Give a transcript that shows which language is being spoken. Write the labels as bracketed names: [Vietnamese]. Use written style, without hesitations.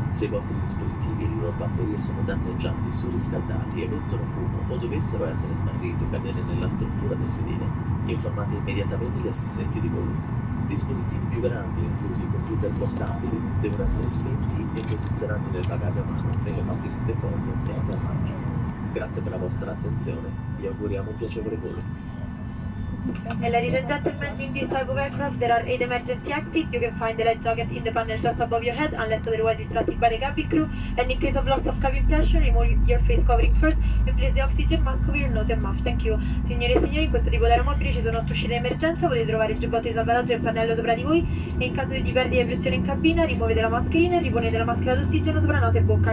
[Italian] Se i vostri dispositivi e le loro batterie sono danneggiati, surriscaldati, emettono fumo o dovessero essere smarriti o cadere nella struttura del sedile, informate immediatamente gli assistenti di volo. Dispositivi più grandi, inclusi computer portabili, devono essere spenti e posizionati nel bagaglio a mano nelle fasi di decollo e atterraggio. Grazie per la vostra attenzione, vi auguriamo un piacevole volo. [English] Hello, ladies and gentlemen, in this type of aircraft there are 8 emergency exits. You can find the life jacket in the panel just above your head, unless otherwise instructed by the cabin crew. And in case of loss of cabin pressure, remove your face covering first and place the oxygen mask over your nose and mouth. Thank you. [Italian] Signore e signori, in questo tipo di aeromobili ci sono 8 uscite d'emergenza. Potete trovare il giubbotto di salvataggio e il pannello sopra di voi. E in caso di perdita di pressione in cabina, rimuovete la mascherina e riponete la maschera d'ossigeno sopra nose e bocca.